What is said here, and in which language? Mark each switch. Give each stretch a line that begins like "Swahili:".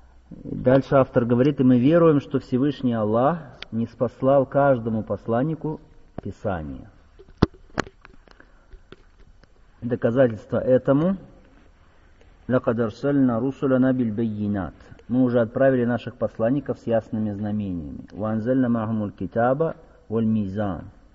Russian: Дальше автор говорит, и мы веруем, что Всевышний Аллах ниспослал каждому посланнику Писание. Доказательство этому
Arabic: لقد أرسلنا رسلنا بالبينات.
Russian: Мы уже отправили наших посланников с ясными знамениями.
Arabic: وأنزلنا معهم الكتاب والميزان.